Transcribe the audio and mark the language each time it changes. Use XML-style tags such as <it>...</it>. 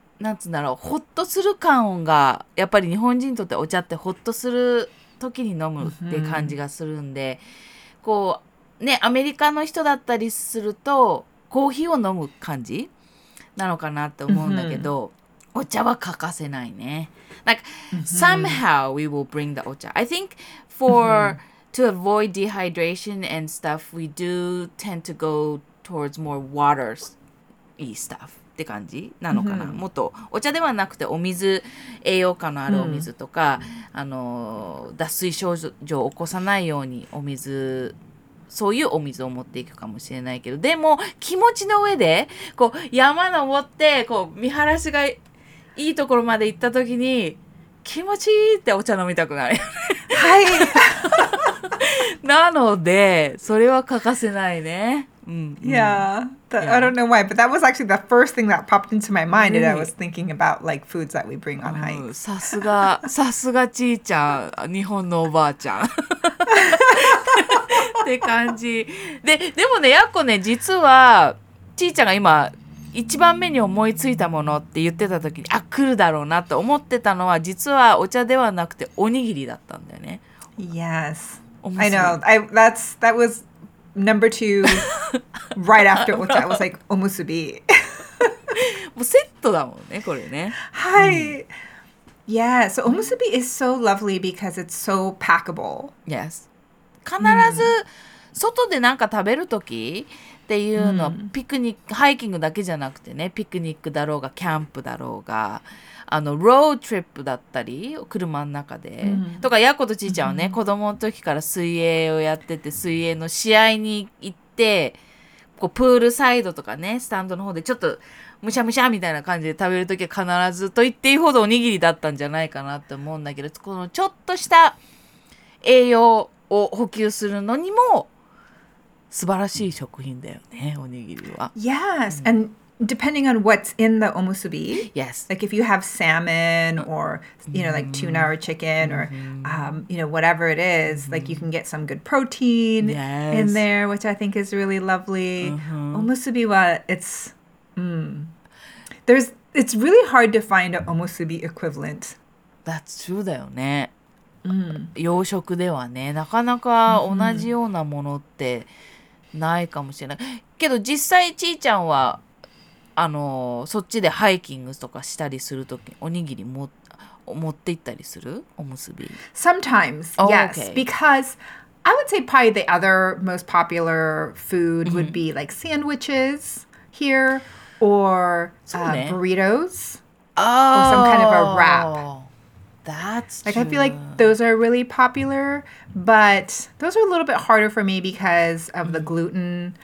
<ja>なんつうんだろう、ほっとする感がやっぱり日本人にとってお茶ってほっとする時に飲むって感じがするんで、こうね、アメリカの人だったりするとコーヒーを飲む感じなのかなって思うんだけど、お茶は欠かせないね。なんか、</ja> <en>somehow we will bring the お茶。 I think for to avoid dehydration and stuff, we do tend to go towards more watery stuff.</en> <ja>って感じなのかな、もっとお茶ではなくてお水、栄養価のあるお水とか、脱水症状を起こさないようにお水、そういうお水を持っていくかもしれないけど、でも気持ちの上でこう山登ってこう見晴らしがいいところまで行った時に気持ちいいってお茶飲みたくなる。はい。なのでそれは欠かせないね。</ja> <en>Yeah, the, yeah, I don't know why, but that was actually the first thing that popped into my mind and I was thinking about like foods that we bring on hikes.</en> <ja>さすがちーちゃん、日本のおばあちゃん。って感じ。で、でもね、やっこね、実はちーちゃんが今一番目に思いついたものって言ってた時に、あ、来るだろうなと思ってたのは、実はお茶ではなくておにぎりだったんだよね。</ja> <en>Yes. I know. That was... Number two, right after ocha, I was like, omusubi.</en> <ja>もうセットだもんね、これね。はい。</ja> <en>Yeah, so omusubi is so lovely because it's so packable. Yes.</en> <ja>必ず外でなんか食べるときっていうの、ピクニック、ハイキングだけじゃなくてね、ピクニックだろうが、キャンプだろうが、ロードトリップだったり、車の中で。とか、やっことちいちゃんはね、子供の時から水泳をやってて、水泳の試合に行って、こう、プールサイドとかね、スタンドの方で、ちょっと、むしゃむしゃみたいな感じで食べるときは必ず、と言っていいほどおにぎりだったんじゃないかなって思うんだけど、このちょっとした栄養を補給するのにも、素晴らしい食品だよね、おにぎりは。</ja> <en>Yes, and... Depending on what's in the omusubi, yes. Like if you have salmon or, you know, like tuna or chicken or, you know, whatever it is, like you can get some good protein in there, which I think is really lovely. Omusubi wa, it's, it's really hard to find an omusubi equivalent. That's true</en> <ja>だよね。洋食ではね、なかなか同じようなものってないかもしれない。けど実際ちーちゃんはそっちでハイキングとかしたりするときおにぎりも持って行ったりする？おむすび。</ja> <en>Sometimes, yes. Oh, okay. Because I would say probably the other most popular food would be like sandwiches here or burritos or some kind of a wrap. That's like, true. I feel like those are really popular, but those are a little bit harder for me because of the gluten.</en>